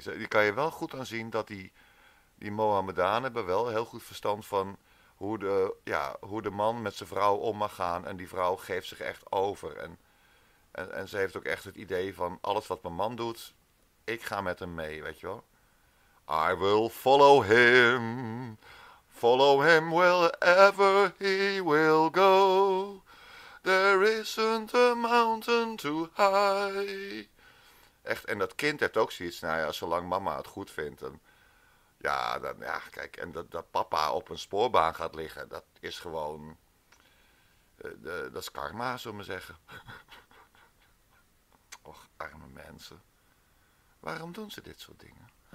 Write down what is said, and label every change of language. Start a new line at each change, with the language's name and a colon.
Dutch: Die kan je wel goed aan zien dat die Mohammedanen hebben wel heel goed verstand van hoe de man met zijn vrouw om mag gaan. En die vrouw geeft zich echt over. En ze heeft ook echt het idee van alles wat mijn man doet, ik ga met hem mee, weet je wel.
English: I will follow him. Follow him wherever he will go. There isn't a mountain too high.
Dutch: Echt, en dat kind heeft ook zoiets, nou ja, zolang mama het goed vindt. En ja, dan, ja, kijk, en dat papa op een spoorbaan gaat liggen, dat is gewoon... dat is karma, zullen we zeggen. Och, arme mensen. Waarom doen ze dit soort dingen?